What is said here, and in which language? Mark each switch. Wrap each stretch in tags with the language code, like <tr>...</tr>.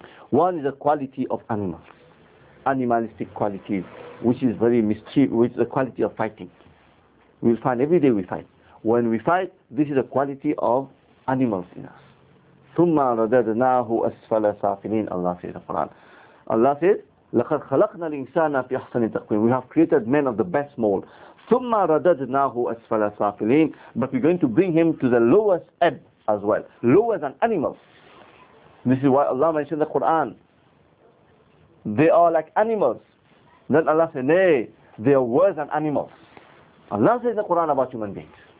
<en>One is the quality of animals, animalistic qualities, which is very mischievous, which is the quality of fighting. We'll find every day we fight. When we fight, this is a quality of animals in us.</en> <ar>ثُمَّ رَدَدْنَاهُ أَسْفَلَ سَافِلِينَ</ar> <en>Allah says in the Quran. Allah says,</en> <ar>لَقَدْ خَلَقْنَا الْإِنسَانَ فِي أَحْسَنِ تَقْوِيمٍ.</ar> <en>We have created men of the best mold.</en> <ar>ثُمَّ رَدَدْنَاهُ أَسْفَلَ سَافِلِينَ.</ar> <en>But we're going to bring him to the lowest ebb as well. Lower than animals. This is why Allah mentioned the Quran. They are like animals. Then Allah said, nay, they are worse than animals. Allah says in the Quran about human beings.</en>